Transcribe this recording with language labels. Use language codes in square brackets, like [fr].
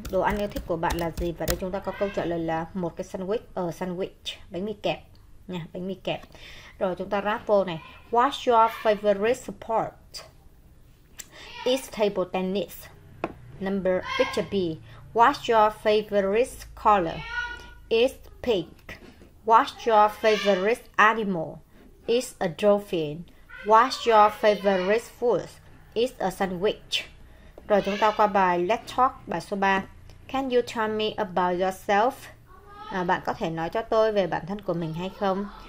[vi] Đồ ăn yêu thích của bạn là gì? Và đây chúng ta có câu trả lời là một cái sandwich. Sandwich, bánh mì kẹp nha, bánh mì kẹp. Rồi chúng ta ráp vô này. [en] What's your favorite sport? It's table tennis. Number picture B. What's your favorite color? It's pink. What's your favorite animal? It's a dolphin. What's your favorite food? It's a sandwich. [vi] Rồi chúng ta qua bài Let's Talk, bài số 3. [en] Can you tell me about yourself? [vi] Bạn có thể nói cho tôi về bản thân của mình hay không?